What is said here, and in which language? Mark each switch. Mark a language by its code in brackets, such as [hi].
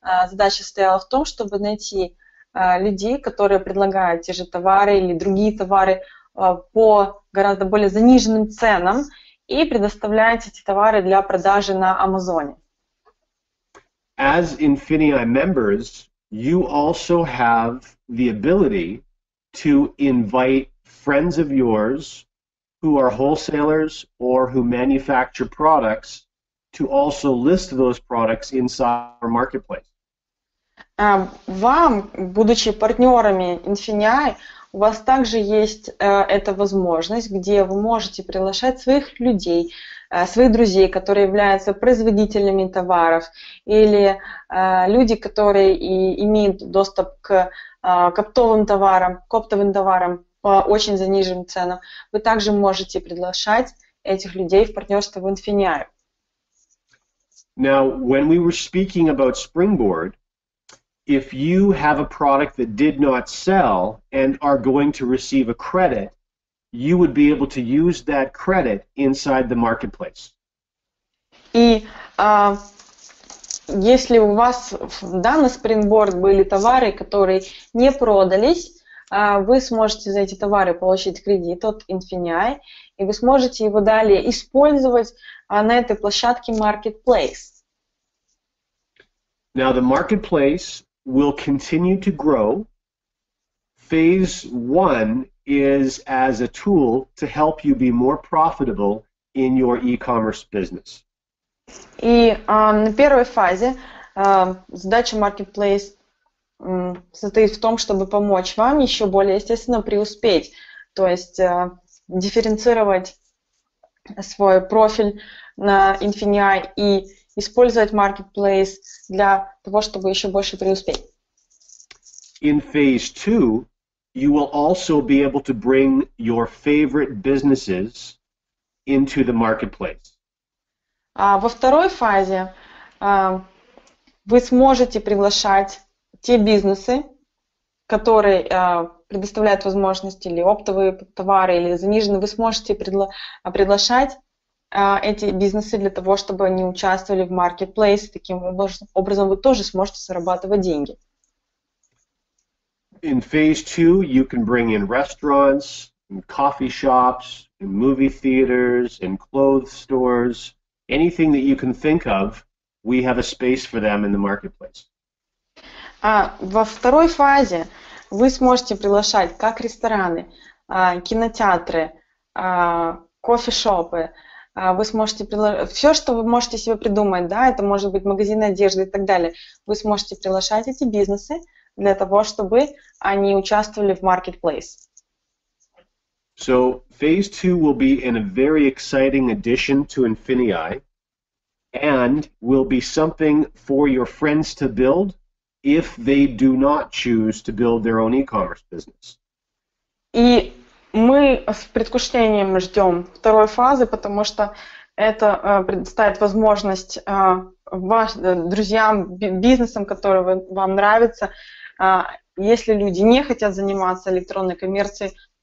[ru] задача стояла в том, чтобы найти людей, которые предлагают те же товары или другие товары по гораздо более заниженным ценам и предоставлять эти товары для продажи на Амазоне. [en] As Infinii members, you also have the ability to invite friends of yours who are wholesalers or who manufacture products to also list those products inside our marketplace. [ru] Вам, будучи партнерами Infinii, у вас также есть эта возможность, где вы можете приглашать своих людей, своих друзей, которые являются производителями товаров, или люди, которые и имеют доступ к оптовым товарам, к оптовым товарам по очень заниженным ценам. Вы также можете приглашать этих людей в партнерство в Infinii. [en] Now, when we were speaking about Springboard, if you have a product that did not sell and are going to receive a credit, you would be able to use that credit inside the marketplace. [ru] И если у вас на Springboard были товары, которые не продались, вы сможете за эти товары получить кредит от Infinii, и вы сможете его далее использовать на этой площадке Marketplace. [en] Now the Marketplace will continue to grow. Phase one is as a tool to help you be more profitable in your e-commerce business. [ru] И на первой фазе задача Marketplace состоит в том, чтобы помочь вам еще более, естественно, преуспеть, то есть дифференцировать свой профиль на Infinii и использовать Marketplace для того, чтобы еще больше преуспеть. [en] In phase two, you will also be able to bring your favorite businesses into the marketplace. [ru] Во второй фазе вы сможете приглашать те бизнесы, которые предоставляют возможности или оптовые товары, или заниженные, вы сможете приглашать эти бизнесы для того, чтобы они участвовали в marketplace. Таким образом вы тоже сможете зарабатывать деньги. [en] In phase two, you can bring in restaurants, and coffee shops, and movie theaters, and clothes stores. Anything that you can think of, we have a space for them in the marketplace. [ru] Во второй фазе вы сможете приглашать как рестораны, кинотеатры, кофешопы. Вы сможете приглашать все, что вы можете себе придумать, да, это может быть магазины одежды и так далее. Вы сможете приглашать эти бизнесы для того, чтобы они участвовали в marketplace. [en] So phase two will be in a very exciting addition to Infinii, and will be something for your friends to build if they do not choose to build their own e-commerce business. [ru] И мы с предвкушением ждем второй фазы, потому что это предоставит возможность друзьям, бизнесам, которые вам нравятся, если люди не хотят заниматься электронной коммерцией,